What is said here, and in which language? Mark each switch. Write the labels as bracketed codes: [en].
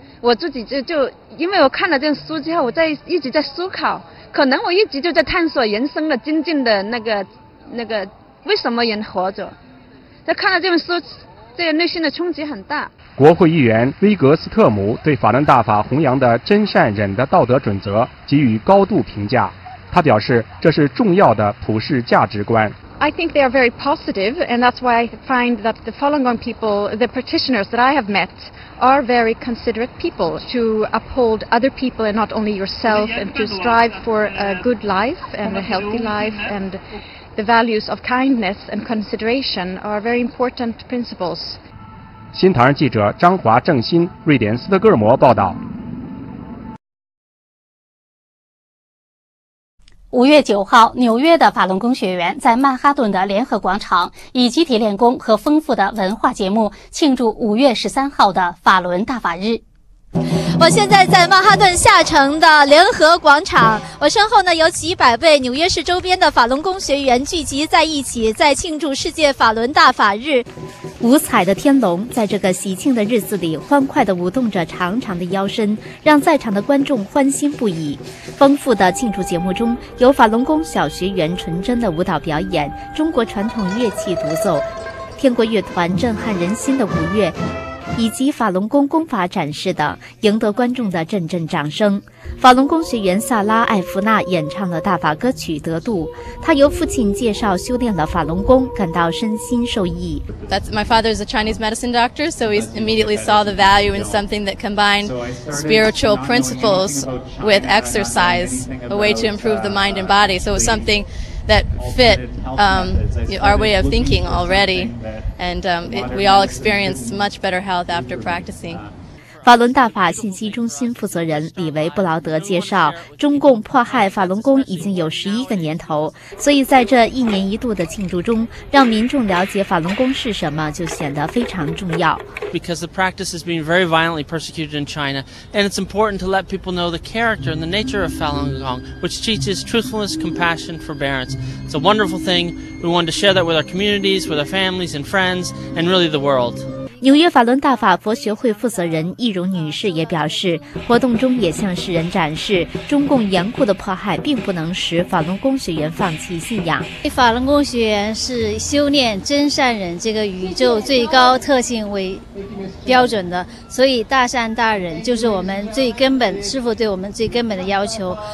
[zh] 我自己就因为我看了这书之后，我在一直在思考，可能我一直就在探索人生的精进的那个为什么人活着。在看了这本书，这个内心的冲击很大。国会议员威格斯特姆对法轮大法弘扬的真善忍的道德准则给予高度评价，他表示这是重要的普世价值观。 [en] I think they are very positive, and that's why I find that the Falun Gong people, the practitioners that I have met, are very considerate people to uphold other people and not only yourself, and to strive for a good life and a healthy life, and the values of kindness and consideration are very important principles. [zh] 新唐人记者张华、郑新，瑞典斯德哥尔摩报道。 5月9号，纽约的法轮功学员在曼哈顿的联合广场以集体练功和丰富的文化节目庆祝5月13号的法轮大法日。我现在在曼哈顿下城的联合广场，我身后呢有几百位纽约市周边的法轮功学员聚集在一起，在庆祝世界法轮大法日。五彩的天龙在这个喜庆的日子里欢快地舞动着长长的腰身，让在场的观众欢欣不已。丰富的庆祝节目中有法轮功小学员纯真的舞蹈表演，中国传统乐器独奏，天国乐团震撼人心的鼓乐，以及法轮功功法展示等，赢得观众的阵阵掌声。法轮功学员萨拉·艾弗纳演唱了大法歌曲《得度》，他由父亲介绍修炼了法轮功，感到身心受益。 [en] That's my father is a Chinese medicine doctor, so he immediately saw the value in something that combined spiritual principles with exercise, a way to improve the mind and body. So it was something that fit our way of thinking already, and we all experienced much better health after practicing. [zh] 法轮大法信息中心负责人李维·布劳德介绍，中共迫害法轮功已经有11个年头，所以在这一年一度的庆祝中，让民众了解法轮功是什么就显得非常重要。 [en] Because the practice has been very violently persecuted in China, and it's important to let people know the character and the nature of Falun Gong, which teaches truthfulness, compassion, forbearance. It's a wonderful thing. We want to share that with our communities, with our families and friends, and really the world. [zh] 纽约法轮大法佛学会负责人易荣女士也表示，活动中也向世人展示，中共严酷的迫害并不能使法轮功学员放弃信仰。法轮功学员是修炼真善忍这个宇宙最高特性为标准的，所以大善大忍就是我们最根本，师父对我们最根本的要求。